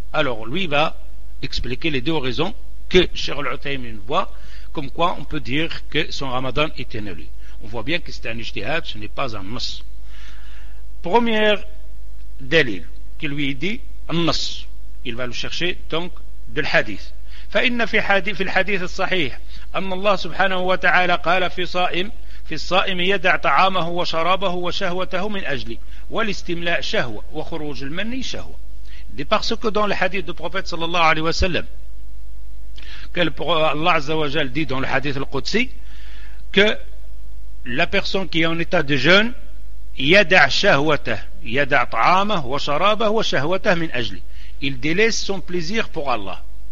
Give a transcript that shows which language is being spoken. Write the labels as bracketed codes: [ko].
[fr] Alors lui va expliquer les deux raisons que Cheikh al-Uthaymin voit, comme quoi on peut dire que son ramadan est annulé. On voit bien que c'est un ijtihad, ce n'est pas un nas. Premier dalil qui lui dit un nas, il va le chercher donc de l'hadith. [ar] فإن في حديث في الحديث الصحيح أن الله سبحانه وتعالى قال في صائم في الصائم يدع طعامه وشرابه وشهوته من أجلي والاستملاء شهوة وخروج المني شهوة. [fr] دي parce que dans le hadith du prophète sallallahu alayhi wa sallam que Allah azza wa jal dit dans le hadith al-Qudsi que la personne qui est en état de jeûne [ar] يدع شهوته يدع طعامه وشرابه وشهوته من أجلي, [fr] il délaisse son plaisir pour Allah.